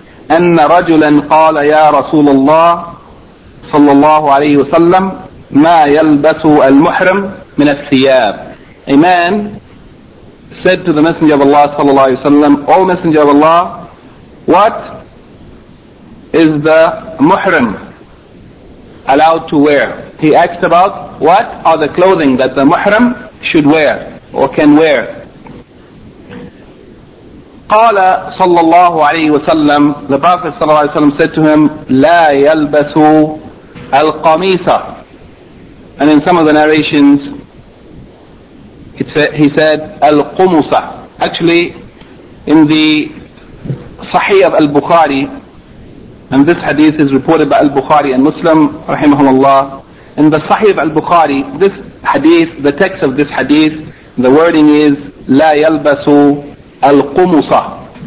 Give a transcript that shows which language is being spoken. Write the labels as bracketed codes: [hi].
[ar] أَنَّ رَجُلًا قَالَ يَا رَسُولَ اللَّهِ صلى الله عليه وسلم مَا يَلْبَسُ الْمُحْرَمُ مِنَ الثِّيَابِ. [en] A man said to the Messenger of Allah صلى الله عليه وسلم, O Messenger of Allah, what is the muhram allowed to wear? He asked about what are the clothing that the muhram should wear or can wear. [ar] قال صلى الله عليه وسلم, [en] the Prophet صلى الله عليه وسلم said to him, [ar] لا يلبس القميص. [en] And in some of the narrations he said القمص. Actually, in the Sahih of Al-Bukhari, and this hadith is reported by Al-Bukhari and Muslim, rahimahumullah. In the Sahih of Al-Bukhari, this hadith, the text of this hadith, the wording is, [ar] لا يلبس القمص.